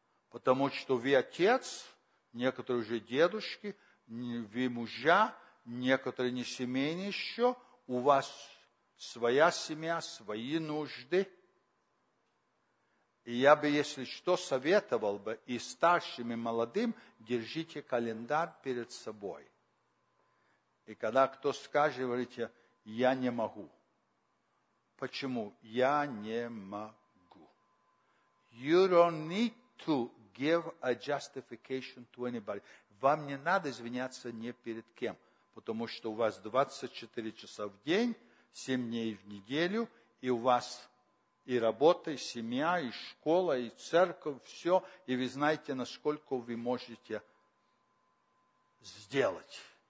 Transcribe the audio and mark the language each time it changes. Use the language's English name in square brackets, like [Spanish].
[Russian] Потому что вы отец, некоторые уже дедушки, вы мужа, некоторые не семейные еще, у вас своя семья, свои нужды. И я бы, если что, советовал бы и старшим, и молодым, держите календарь перед собой. И когда кто скажет, говорите, я не могу. Почему? Я не могу. [English] You don't need to give a justification to anybody. [Russian] Вам не надо извиняться ни перед кем, потому что у вас 24 часа в день, 7 дней в неделю, и у вас и работа, и семья, и школа, и церковь, все, и вы знаете, насколько вы можете сделать.